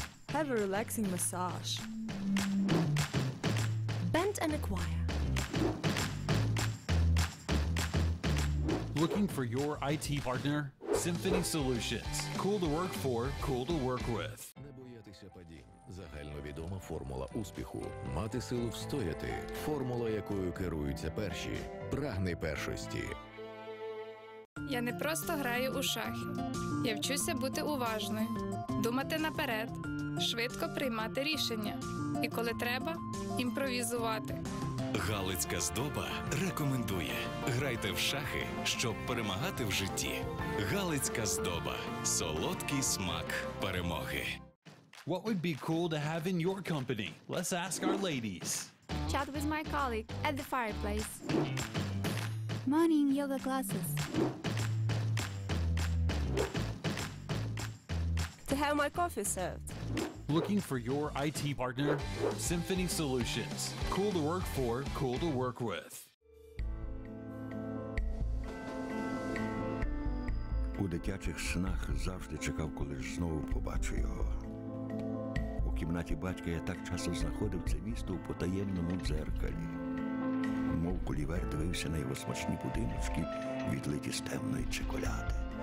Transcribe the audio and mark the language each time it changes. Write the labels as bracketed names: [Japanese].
[English] Have a relaxing massage. Band and a choir. Looking for your IT partner? Symphony Solutions. Cool to work for, cool to work with. [Ukrainian] Загальновідома формула успіху. Мати силу встояти. Формула, якою керуються перші. Прагни першості. Я не просто граю у шахи. Я вчуся бути уважною, думати наперед, швидко приймати рішення. І коли треба, імпровізувати. Галицька здоба рекомендує. Грайте в шахи, щоб перемагати в житті. Галицька здоба. Солодкий смак перемоги. [English] What would be cool to have in your company? Let's ask our ladies. Chat with my colleague at the fireplace. Morning yoga classes. To have my coffee served. Looking for your IT partner? Symphony Solutions. Cool to work for, cool to work with. [Ukrainian] У дитячих снах завжди чекав, коли ж знову побачу його. В кімнаті батька я так часто знаходив це місто у потаємному дзеркалі. Мов Кулівер дивився на його смачні будиночки, відлиті з темної чоколяди.